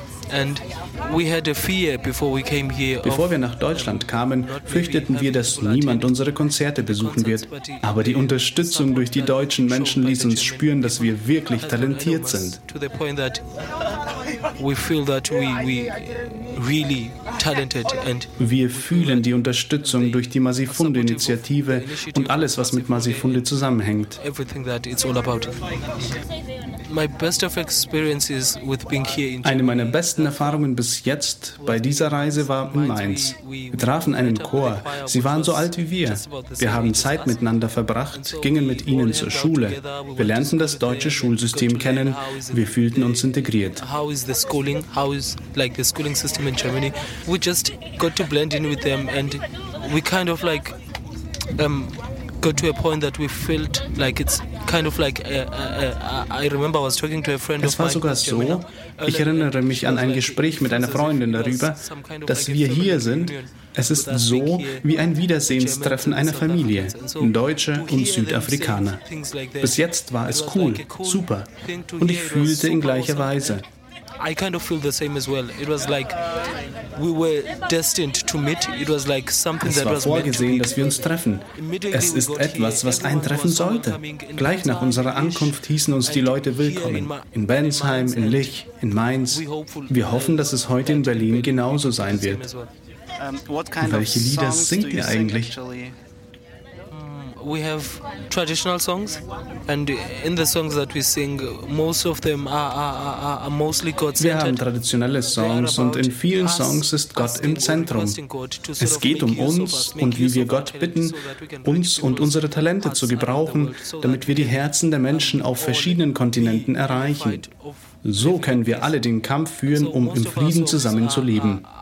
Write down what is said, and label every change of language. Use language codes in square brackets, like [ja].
[en] And we had a fear before we came here. [de] Bevor wir nach Deutschland kamen, fürchteten wir, dass niemand unsere Konzerte besuchen wird. Aber die Unterstützung durch die deutschen Menschen ließ uns spüren, dass wir wirklich talentiert sind. [en] To the point that we feel that we really talented and [de] wir fühlen die Unterstützung durch die Masifunde-Initiative und alles, was mit Masifunde zusammenhängt. [en] Everything that it's all about. My best of experiences with being here in [de] Eine meiner besten Erfahrungen bis jetzt bei dieser Reise war in Mainz. Wir trafen einen Chor. Sie waren so alt wie wir. Wir haben Zeit miteinander verbracht, gingen mit ihnen zur Schule. Wir lernten das deutsche Schulsystem kennen. Wir fühlten uns integriert. [en] How is the schooling? How is like the schooling system in Germany? We just got to blend in with them and we kind of like got to a point that we felt like it's kind of like I remember I was talking to a friend of mine. [de] Es war sogar so. Ich erinnere mich an ein Gespräch mit einer Freundin darüber, dass wir hier sind. Es ist so wie ein Wiedersehenstreffen einer Familie, Deutsche und Südafrikaner. Bis jetzt war es cool, super, und ich fühlte in gleicher Weise. [en] I kind of feel the same as well. It was like we were destined to meet. It was like something that was meant to be. [de] Es war vorgesehen, dass wir uns treffen. Es ist etwas, was eintreffen sollte. Gleich nach unserer Ankunft hießen uns die Leute willkommen. In Bensheim, in Lich, in Mainz. Wir hoffen, dass es heute in Berlin genauso sein wird. Welche Lieder singt ihr eigentlich? [en] We have traditional songs and in the songs that we sing most of them are mostly God-centered. [de] Wir haben traditionelle Songs und in vielen Songs ist Gott im Zentrum. Es geht um uns und wie wir Gott bitten, uns und unsere Talente zu gebrauchen, damit wir die Herzen der Menschen auf verschiedenen Kontinenten erreichen. So können wir alle den Kampf führen, um im Frieden zusammen zu leben.